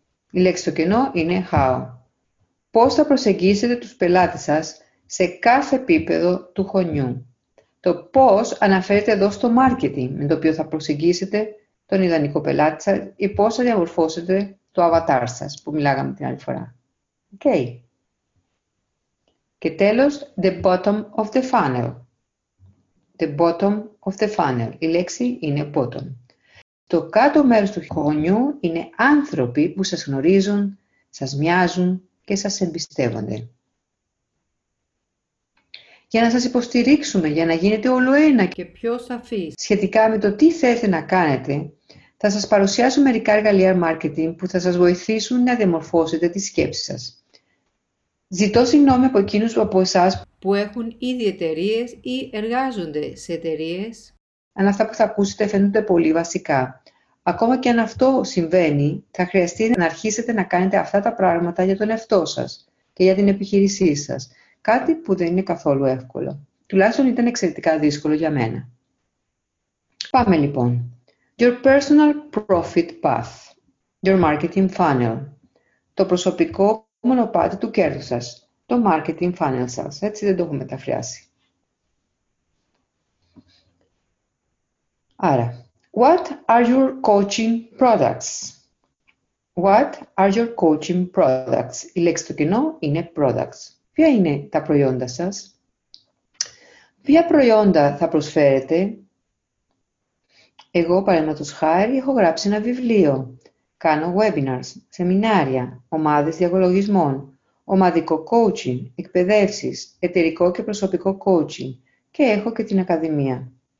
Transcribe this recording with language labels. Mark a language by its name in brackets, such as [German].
[Greek] Η λέξη στο κενό είναι how. Πώς θα προσεγγίσετε τους πελάτες σας σε κάθε επίπεδο του χωνιού. Το πώς αναφέρεται εδώ στο marketing με το οποίο θα προσεγγίσετε τον ιδανικό πελάτη σας ή πώς θα διαμορφώσετε το avatar σας που μιλάγαμε την άλλη φορά. [English] Okay. Και τέλος, the bottom of the funnel. The bottom of the funnel. [Greek] Η λέξη είναι bottom. Το κάτω μέρος του χωνιού είναι άνθρωποι που σας γνωρίζουν, σας μοιάζουν και σας εμπιστεύονται. Για να σας υποστηρίξουμε, για να γίνετε όλο ένα και πιο σαφείς σχετικά με το τι θέλετε να κάνετε, θα σας παρουσιάσω μερικά εργαλεία marketing που θα σας βοηθήσουν να διαμορφώσετε τις σκέψεις σας. Ζητώ συγγνώμη από εκείνους από εσάς που έχουν ήδη εταιρείες ή εργάζονται σε εταιρείες, αν αυτά που θα ακούσετε φαίνονται πολύ βασικά. Ακόμα και αν αυτό συμβαίνει, θα χρειαστεί να αρχίσετε να κάνετε αυτά τα πράγματα για τον εαυτό σας και για την επιχείρησή σας. Κάτι που δεν είναι καθόλου εύκολο. Τουλάχιστον ήταν εξαιρετικά δύσκολο για μένα. Πάμε λοιπόν. [English] Your personal profit path. Your marketing funnel. [Greek] Το προσωπικό μονοπάτι του κέρδους σας. Το marketing funnel σας. Έτσι δεν το έχω μεταφράσει. [English] Άρα, what are your coaching products? What are your coaching products? [Greek] Η λέξη το κοινό είναι products. Ποια είναι τα προϊόντα σας? Ποια προϊόντα θα προσφέρετε? Εγώ, παραδείγματος χάρη, έχω γράψει ένα βιβλίο. Κάνω webinars, σεμινάρια, ομάδες διαλογισμών, ομαδικό coaching, εκπαιδεύσεις, εταιρικό και προσωπικό coaching και έχω και την ακαδημία.